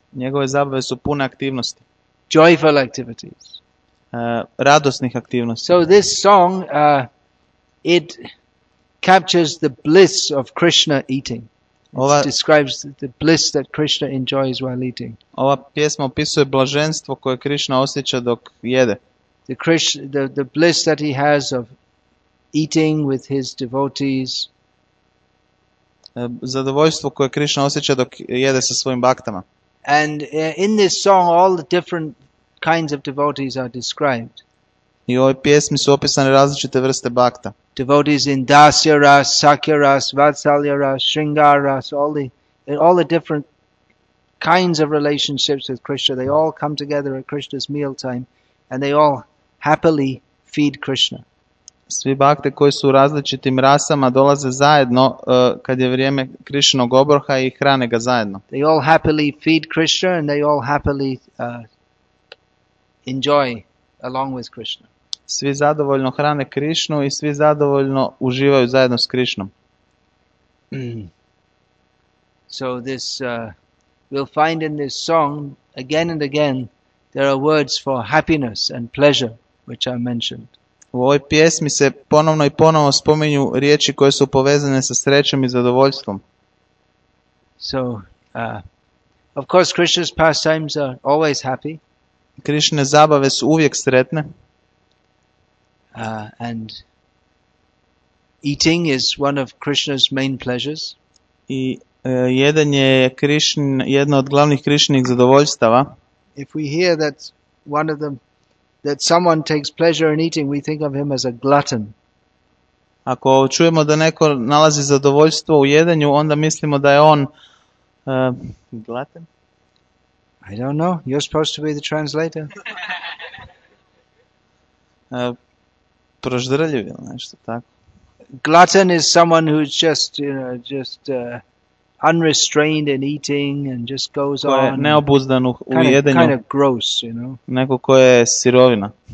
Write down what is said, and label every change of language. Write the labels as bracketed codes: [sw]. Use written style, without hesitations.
[hr] Njegove zabave su pune aktivnosti. [en] Joyful activities. [hr] Radosnih aktivnosti. [en] So this song it captures the bliss of Krishna eating. It describes the bliss that Krishna enjoys while eating. [hr] Ova pjesma opisuje blaženstvo koje Krishna osjeća dok jede. [en] The bliss that he has of eating with his devotees. [hr] Zadovoljstvo koje Krishna osjeća dok jede sa svojim baktama. [en] And in this song all the different kinds of devotees are described. [hr] I u ovoj pjesmi su opisane različite vrste bhakta. [en] Devotees in Dasya Ras, Sakya Ras, Vatsalya Ras, Shringar Ras, all the different kinds of relationships with Krishna. They all come together at Krishna's meal time and they all happily feed Krishna. [hr] Svi bhakte koji su u različitim rasama dolaze zajedno kad je vrijeme Krishnog obroha i hrane ga zajedno. [en] They all happily feed Krishna and they all happily enjoy along with Krishna. [hr] Svi zadovoljno hrane Krišnu i svi zadovoljno uživaju zajedno s Krišnom. [en] So this we'll find in this song again and again there are words for happiness and pleasure which I mentioned. [hr] U ovoj pjesmi se ponovno i ponovo spominju riječi koje su povezane sa srećom i zadovoljstvom. [en] So of course Krishna's pastimes are always happy. [hr] Krišne zabave su uvijek sretne. [en] And eating is one of Krishna's main pleasures. [hr] I jedanje je jedno od glavnih Krišnih zadovoljstava. [en] If we hear that one of them, that someone takes pleasure in eating, we think of him as a glutton. [hr] Ako čujemo da neko nalazi zadovoljstvo u jedanju, onda mislimo da je on glutton. [en] I don't know. You're supposed to be the translator. [hr] Proždrljiv ili nešto tako. [en] Glutton is someone who's just, you know, just unrestrained in eating and just goes [hr] ko je on neobuzdan u jedenju, [en] kind of gross, you know. [hr] Neko ko je sirovina.